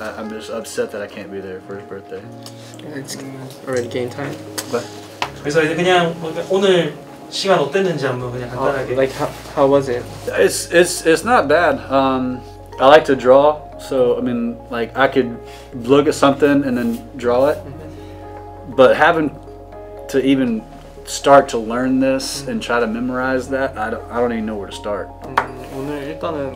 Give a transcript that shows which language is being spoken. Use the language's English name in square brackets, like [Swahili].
[English] I'm just upset that I can't be there for his birthday. It's already game time. What? [Korean] So, 시간 어땠는지 한번 그냥 간단하게. [English] Like how was it? It's not bad. I like to draw, so I mean like I could look at something and then draw it. But having to even start to learn this and try to memorize that, I don't even know where to start. [Korean] 오늘 일단은